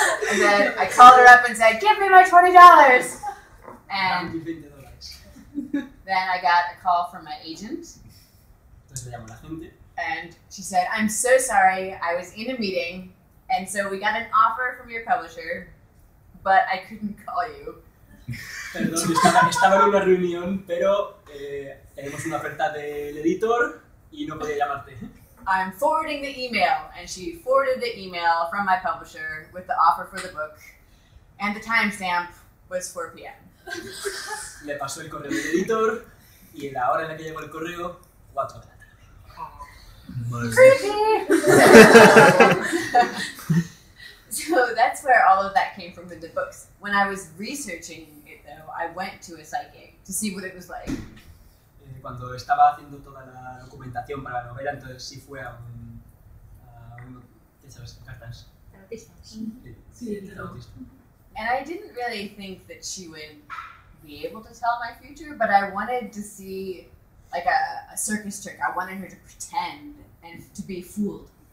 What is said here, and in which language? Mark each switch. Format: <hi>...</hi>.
<en>And then I called her up and said, give me my $20. And $20. Then I got a call from my agent.</en> <es>Entonces le llamó la gente.</es> <en>And she said, I'm so sorry, I was in a meeting. And so we got an offer from your publisher, but I couldn't call you.</en> <es>Perdón, estaba en una reunión, pero tenemos una oferta del editor y no podía llamarte.</es> <en>I'm forwarding the email, and she forwarded the email from my publisher with the offer for the book, and the timestamp was 4 p.m.</en> <es>Le pasó el correo del editor, y la hora en la que llegó el correo, 4 de la tarde.</es> <en>Creepy! So that's where all of that came from in the books. When I was researching it, though, I went to a psychic to see what it was like.</en> <es>Cuando estaba haciendo toda la documentación para la novela, entonces sí fue a un... ¿Qué sabes? ¿Cartas?</es> <en>And I didn't really think that she would be able to tell my future, but I wanted to see, like, a circus trick. I wanted her to pretend and to be fooled.</en>